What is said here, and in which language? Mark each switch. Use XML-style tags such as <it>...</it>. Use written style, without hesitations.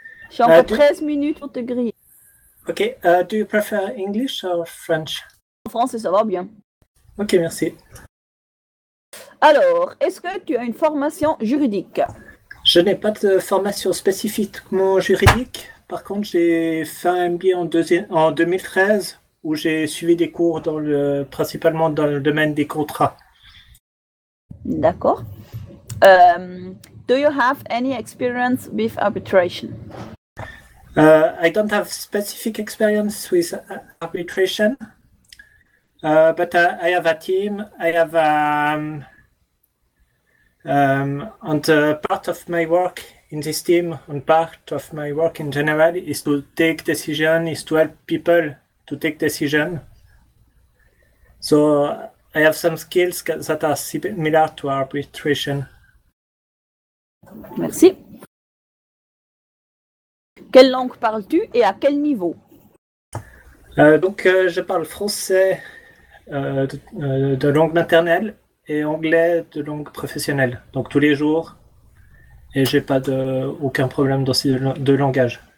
<de>Schon vor 13 Minuten wird er gris.</de> <en>Okay, do you prefer English or French?</en> <fr>Français, ça va bien. Ok, merci. Alors, est-ce que tu as une formation juridique? Je n'ai pas de formation spécifiquement juridique. Par contre, j'ai fait un MBA en 2013 où j'ai suivi des cours principalement dans le domaine des contrats. D'accord.</fr> <en>Do you have any experience with arbitration? I don't have specific experience with arbitration, but I have a team. I have and part of my work in this team and part of my work in general is to take decision, is to help people to take decision. So I have some skills that are similar to arbitration.</en> <fr>Merci. Quelle langue parles-tu et à quel niveau? Je parle français de langue maternelle et anglais de langue professionnelle, donc tous les jours, et j'ai pas aucun problème dans ces deux langages.</fr>